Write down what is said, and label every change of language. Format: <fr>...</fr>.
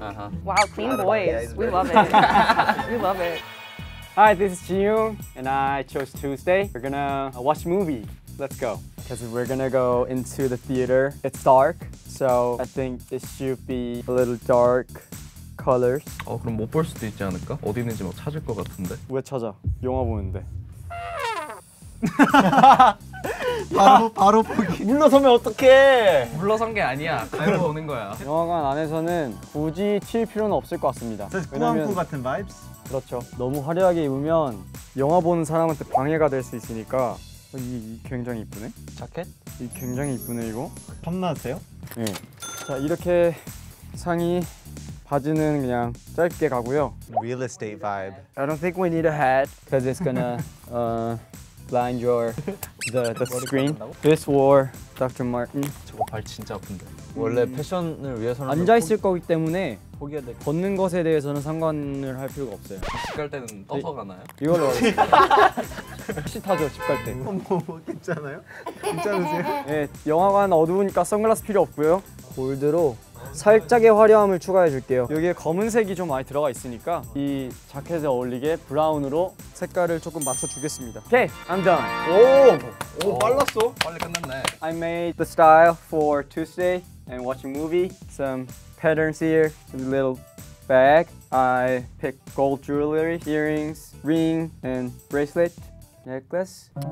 <en>Uh-huh. Wow, clean boys. We love it. We love it. Hi, this is Jiyoung, and I chose Tuesday. We're gonna watch a movie. Let's go. Because we're gonna go into the theater. It's dark, so I think it should be a little dark colors.</en> <ko>어, 그럼 못 볼 수도 있지 않을까? 어디 있는지 막 찾을 것 같은데? 왜 찾아? 영화 보는데. 바로 포기. 물러서면 어떡해? 물러선 게 아니야. 갈고 오는 거야. 영화관 안에서는 굳이 칠 필요는 없을 것 같습니다. 꾸안꾸 같은 vibes? 그렇죠. 너무 화려하게 입으면 영화 보는 사람한테 방해가 될 수 있으니까 이 굉장히 이쁘네? 자켓? 이 굉장히 이쁘네 이거. 판매하세요? 네. 자 이렇게 상의 바지는 그냥 짧게 가고요.</ko> <en>Real estate vibe. I don't think we need a hat because it's gonna blind your the screen. This wore Dr. Martin.</en> <ko>저거 발 진짜 아픈데. 원래 패션을 위해서는 앉아 있을 거기 때문에 포기해야 돼. 걷는 것에 대해서는 상관을 할 필요가 없어요. 집 갈 때는 떠서 가나요? 이걸로 혹시 타죠 집 갈 때. 뭐 괜찮아요? 괜찮으세요? 네, 영화관 어두우니까 선글라스 필요 없고요. 골드로 살짝의 화려함을 추가해 줄게요. 여기에 검은색이 좀 많이 들어가 있으니까 이 자켓에 어울리게 브라운으로 색깔을 조금 맞춰주겠습니다.</ko> <en>오케이, I'm done.</en> <ko>오, 빨랐어. 빨리 끝났네.</ko> <en>I made the style for Tuesday and watching movie. Some patterns here, some little bag. I picked gold jewelry, earrings, ring, and bracelet, necklace.</en>